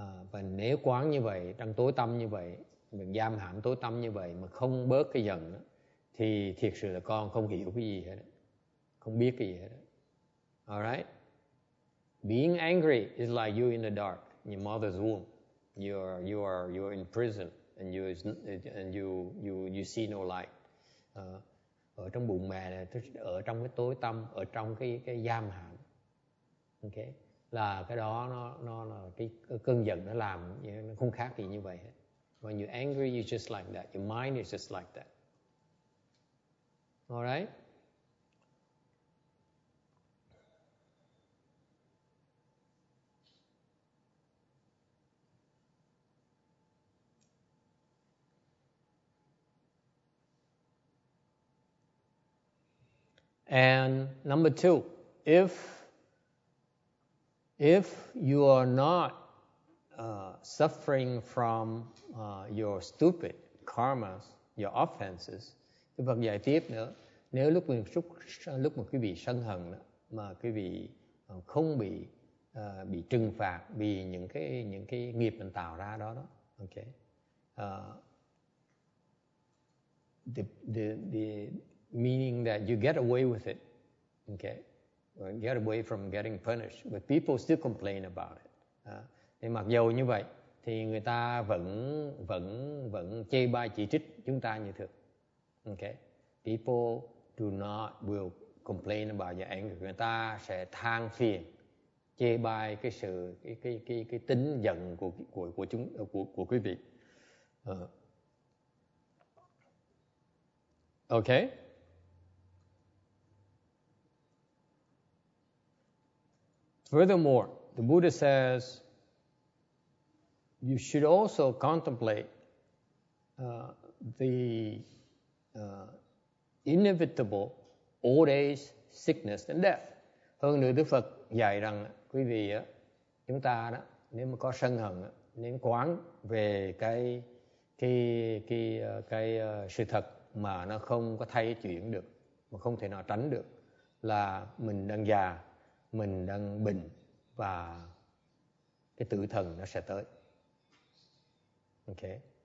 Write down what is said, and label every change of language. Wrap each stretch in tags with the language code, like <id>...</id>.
<vi>Và nếu quán như vậy, trong tối tâm như vậy, mình giam hãm tối tâm như vậy mà không bớt cái giận đó, thì thiệt sự là con không hiểu cái gì hết, không biết cái gì hết.</vi> <en>Alright? Being angry is like you in the dark, in your mother's womb. You're in prison and you see no light.</en> <vi>Ở trong bụng mẹ này, ở trong cái tối tâm, ở trong cái giam hãm. Okay? Là cái đó nó là cái cơn giận nó làm nó không khác gì như vậy hết.</vi> <en>When you're angry, you're just like that. Your mind is just like that. Alright? And number two, if you are not suffering from your stupid karmas, your offenses,</en> <vi>thì Phật giải tiếp nữa, nếu lúc mà quý vị sân hận đó, mà quý vị không bị bị trừng phạt vì những cái nghiệp mình tạo ra đó.</vi> <en>Okay. The meaning that you get away with it. Okay. Get away from getting punished, but people still complain about it.</en> <vi>Thì mặc dù như vậy, thì người ta vẫn chê bai chỉ trích chúng ta như thường.</vi> <en>Okay, people do not will complain about your anger.</en> <vi>Người ta sẽ than phiền, chê bai cái sự cái tính giận của quý vị.</vi> <en>Okay. Furthermore, the Buddha says you should also contemplate the inevitable old age, sickness, and death.</en> <vi>Hơn nữa, Đức Phật dạy rằng quý vị á, chúng ta đó, nếu mà có sân hận, nên quán về cái sự thật mà nó không có thay chuyển được, mà không thể nào tránh được, là mình đang già, mình đang bệnh và cái tử thần nó sẽ tới. Okay.</vi>